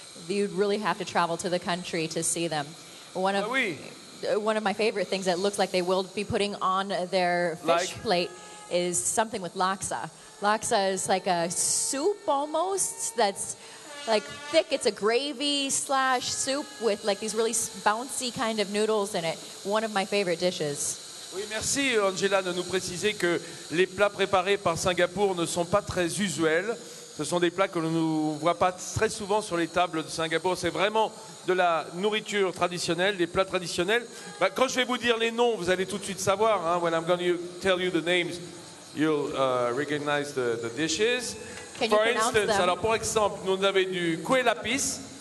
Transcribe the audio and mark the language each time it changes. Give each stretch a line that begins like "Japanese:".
English: You'd really have to travel to the country to see them. One of my favorite things that looks like they will be putting on their fish plate is something with laksa. Laksa is like a soup almost that's like thick. It's a gravy slash soup with like these really bouncy kind of noodles in it. One of my favorite dishes.
French: Oui, merci Angela de nous préciser que les plats préparés par Singapour ne sont pas très usuels. Ce sont des plats que l'on ne voit pas très souvent sur les tables de Singapour. C'est vraiment de la nourriture traditionnelle, des plats traditionnels. Bah, quand je vais vous dire les noms, vous allez tout de suite savoir. Hein.
English: When I'm going to tell you the names, you'll recognize the dishes. Can For you instance, pronounce them?
French: Alors, pour exemple, nous avons du kue lapis.